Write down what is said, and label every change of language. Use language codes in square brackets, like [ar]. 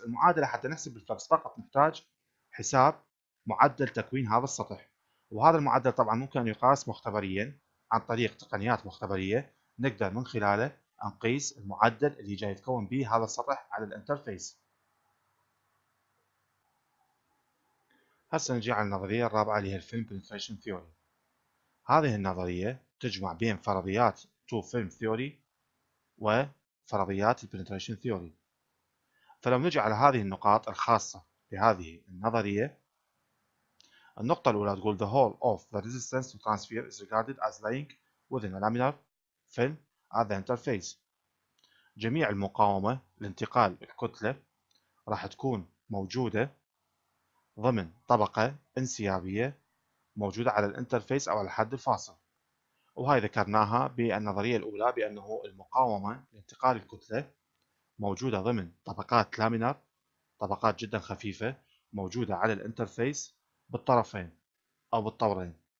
[ar] المعادلة حتى نحسب الفلكس فقط نحتاج حساب معدل تكوين هذا السطح، وهذا المعدل طبعا ممكن أن يقاس مختبريا عن طريق تقنيات مختبرية نقدر من خلاله نقيس المعدل اللي جاي يتكون به هذا السطح على الانترفيس. هسه نجي على النظرية الرابعة اللي هي الفيلم بنتريشن ثيوري. هذه النظرية تجمع بين فرضيات تو فيلم ثيوري وفرضيات البنتريشن ثيوري. فلو نجي على هذه النقاط الخاصة بهذه النظرية، النقطة الأولى تقول [en] the whole of the resistance to transfer is regarded as lying within a laminar film at the interface. [ar] جميع المقاومة لانتقال الكتلة راح تكون موجودة ضمن طبقة انسيابية موجودة على الانترفيس أو على الحد الفاصل. وهي ذكرناها بالنظرية الأولى بأنه المقاومة لانتقال الكتلة موجودة ضمن طبقات لامينار، طبقات جدا خفيفة موجودة على الانترفيس بالطرفين أو بالطورين.